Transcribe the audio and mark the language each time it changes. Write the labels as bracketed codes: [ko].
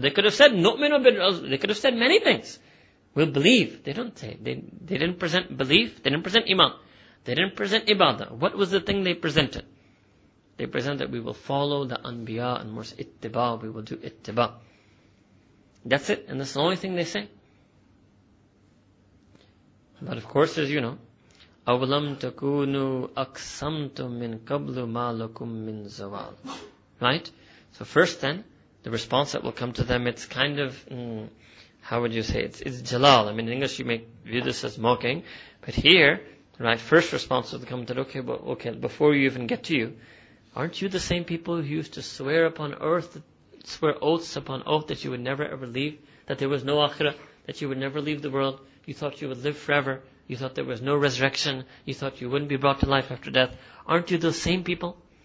[en] They could have said, [ar] نُؤْمِنُ بِالرَّسُلِ. [en] They could have said many things. We'll believe. They don't say. They didn't present belief. They didn't present iman. They didn't present ibadah. What was the thing they presented? They presented that we will follow the anbiya and mursa, ittiba. We will do ittiba. That's it. And that's the only thing they say. But of course, as you know, [ar] أَوَلَمْ تَكُونُوا أَقْسَمْتُمْ مِنْ قَبْلُ مَا لَكُمْ مِنْ زَوَالٍ. [en] Right? So first then, the response that will come to them, it's kind of, how would you say, it's jalal. I mean, in English you may view this as mocking, but here, right, first response will come to them, okay, before you even get to you, aren't you the same people who used to swear upon earth, swear oaths upon oath that you would never ever leave, that there was no akhirah, that you would never leave the world, you thought you would live forever, you thought there was no resurrection, you thought you wouldn't be brought to life after death. Aren't you those same people?